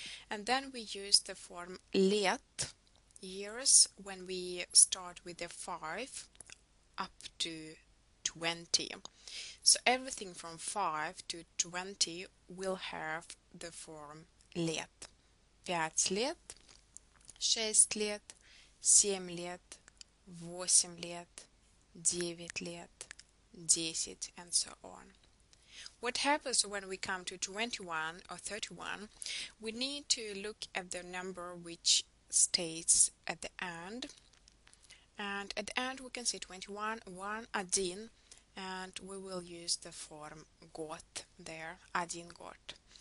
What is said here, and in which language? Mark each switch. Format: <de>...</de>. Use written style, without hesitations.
<en>And then we use the form лет, years, when we start with the 5 up to 20. So everything from 5 to 20 will have the form лет.</en> <ru>Пять лет, шесть лет, семь лет, восемь лет, девять лет, десять,</ru> <en>and so on. What happens when we come to 21 or 31? We need to look at the number which stays at the end. And at the end we can say 21, 1, один, and we will use the form год there,</en> <ru>один год.</ru>